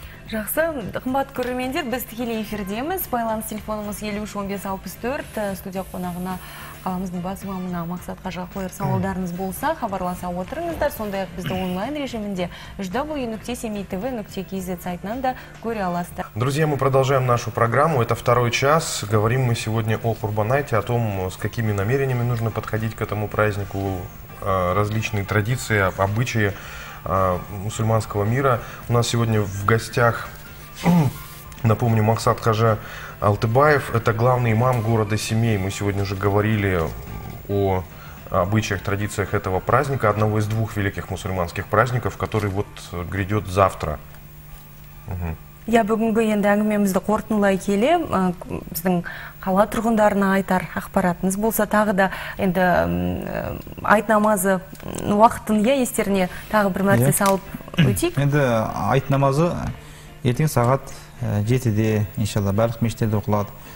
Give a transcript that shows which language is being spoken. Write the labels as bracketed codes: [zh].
[kk] жақсы қымбат көрермендер біз тікелей эфирдеміз байланыс телефонымыз 53-15-64 студия қонағына қаламыздың бас имамына мақсат қажыға қояр сауалдарыңыз болса хабарласа отырыңыздар сондай ақ бізді онлайн режимінде www.semitv.kz сайтынан да көре аласыздар [ru] друзья мы продолжаем нашу программу это второй час говорим мы сегодня о Курбан-айте о том с какими намерениями нужно подходить к этому празднику различные традиции обычаи мусульманского мира. У нас сегодня в гостях, напомню, Максат Хажа Алтыбаев, это главный имам города Семей. Мы сегодня уже говорили о обычаях, традициях этого праздника, одного из двух великих мусульманских праздников, который вот грядет завтра. Угу. [kk] Я бүгінгі енді әңгімемізді қорытындылай келе, біздің қала тұрғындарына айтар ақпаратыңыз болса, тағы да енді айт намазы уақытын естеріне тағы бір мәрте салып өтейік. Енді айт намазы ертең сағат 7-де, иншалла, барлық мешіттерде оқылады.